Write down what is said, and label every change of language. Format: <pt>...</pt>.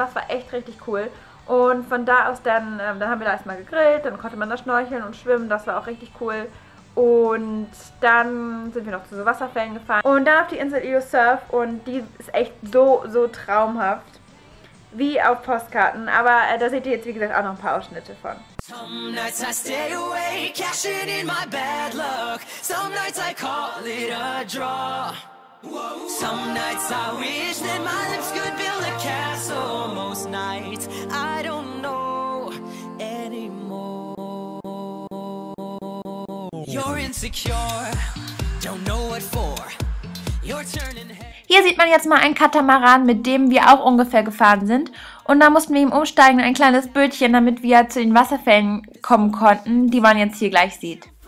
<de>Das war echt richtig cool. Und von da aus dann, dann haben wir da erstmal gegrillt, dann konnte man da schnorcheln und schwimmen. Das war auch richtig cool. Und dann sind wir noch zu so Wasserfällen gefahren und dann auf die Insel Ilocerf, und die ist echt so, so traumhaft, wie auf Postkarten, aber da seht ihr jetzt, wie gesagt, auch noch ein paar Ausschnitte von.</de> <en>Some nights I wish that my lips could build a castle. Most nights I don't know anymore. You're insecure, don't know what for. You're turning head.</en> <de>Hier sieht man jetzt mal einen Katamaran, mit dem wir auch ungefähr gefahren sind. Und da mussten wir ihm umsteigen in ein kleines Bötchen, damit wir zu den Wasserfällen kommen konnten, die man jetzt hier gleich sieht.</de>